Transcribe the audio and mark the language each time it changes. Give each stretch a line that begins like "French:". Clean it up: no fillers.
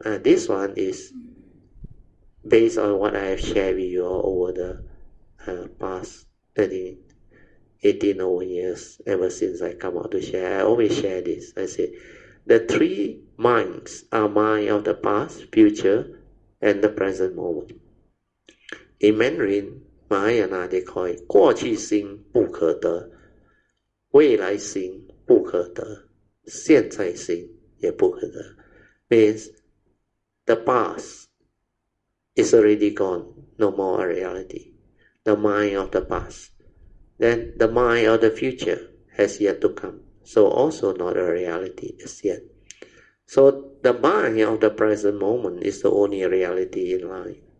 English: This one is based on what I have shared with you all over the past 18 over years, ever since I come out to share. I always share this. I say, the three minds are mind of the past, future, and the present moment. In Mandarin, Mahayana, they call it
Chinese: 过去心不可得, 未来心不可得, 现在心也不可得.
English: Means the past is already gone, no more a reality. The mind of the past. Then the mind of the future has yet to come, so also not a reality as yet. So the mind of the present moment is the only reality in life.